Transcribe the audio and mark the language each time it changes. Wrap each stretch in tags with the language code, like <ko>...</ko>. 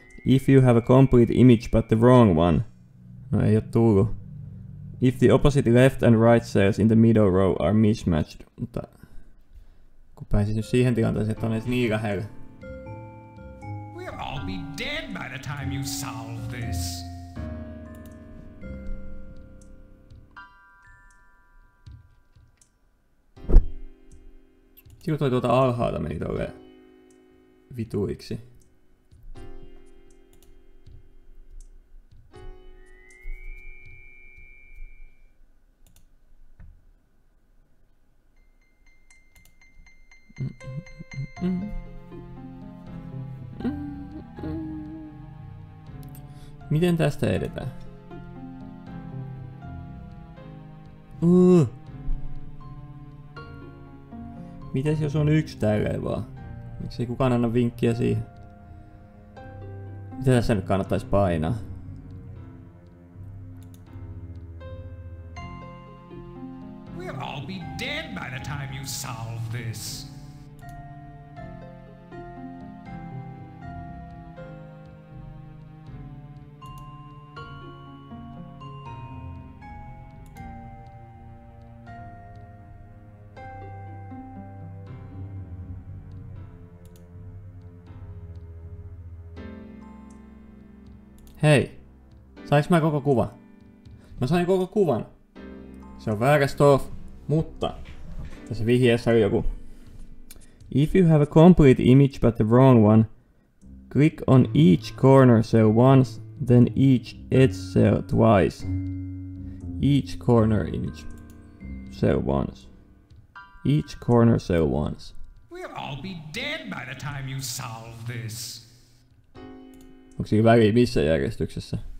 <en>If you have a complete image but the wrong one.</en> <fi>No ei oo tullu.</fi> <en>If the opposite left and right cells in the middle row are mismatched.</en> <fi>Mutta kun pääsis nyt siihen tilanteeseen, että on edes niin lähellä.</fi> <en>We'll all be dead by the time you solve this.</en> <fi>Sitten toi tuota alhaalta meni tolleen vituiksi. Mm. Miten tästä edetään? Mites jos on yksi tälleen vaan? Miksi ei kukaan anna vinkkiä siihen? Mitä tässä nyt kannattaisi painaa?</fi> <en>We'll all be dead by the time you solve this.</en> <fi>Hei, sais mä koko kuvan? Mä sain koko kuvan. Se on väärä stoff, mutta tässä vihjeessä oli joku.</fi> <en>If you have a complete image but the wrong one, click on each corner cell once, then each edge cell twice. Each corner image cell once. Each corner cell once. We'll all be dead by the time you solve this.</en> <fi>Onko siinä väliä missä järjestyksessä?</fi>